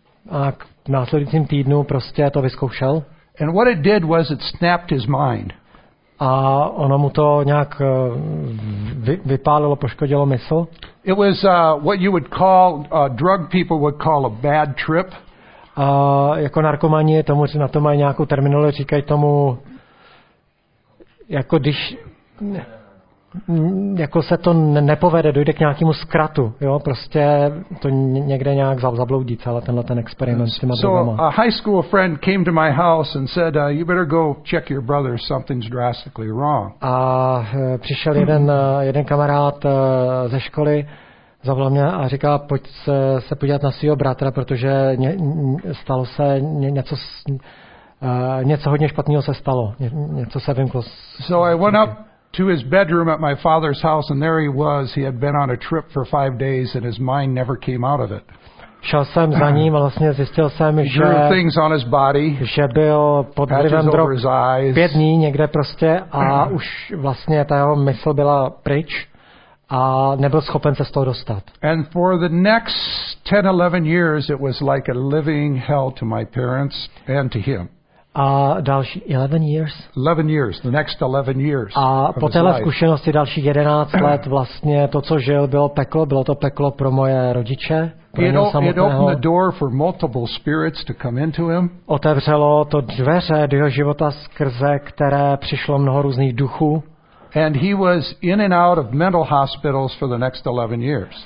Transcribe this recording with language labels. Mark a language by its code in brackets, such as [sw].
[cs] A k následujícím týdnu prostě to vyzkoušel. [en] And what it did was it snapped his mind. [cs] A ono mu to nějak vypálilo, poškodilo mysl. [en] It was what you would call drug people would call a bad trip. [cs] A jako narkomani tomu na to mají nějakou terminologii, říkají tomu jako když jako se to nepovede, dojde k nějakému zkratu, jo, prostě to někde nějak zabloudí celý tenhle ten experiment s těma drogama. [en] So a high school friend came to my house and said, you better go check your brother, something's drastically wrong. [cs] A přišel jeden kamarád ze školy, zavolal mě a říká, pojď se podívat na svýho bratra, protože stalo se něco něco hodně špatného se stalo, něco se vymklo. [en] So I went up to his bedroom at my father's house and there he was. He had been on a trip for 5 days and his mind never came out of it. [cs] Šel jsem za ním a vlastně zjistil jsem, že [en] drew things on his body, [cs] že byl pod vlivem drog 5 dní někde prostě a už vlastně ta jeho mysl byla pryč a nebyl schopen se z toho dostat. [en] And for the next 10-11 years it was like a living hell to my parents and to him. [cs] A další [en] 11 years. 11 years, the next 11 years. [cs] A po téhle zkušenosti dalších 11 let vlastně to, co žil, bylo to peklo pro moje rodiče, pro něj samotného. [en] It opened the door for multiple spirits to come into him. [cs] Otevřelo to dveře do jeho života, skrze které přišlo mnoho různých duchů. [en] And he was in and out of mental hospitals for the next 11 years.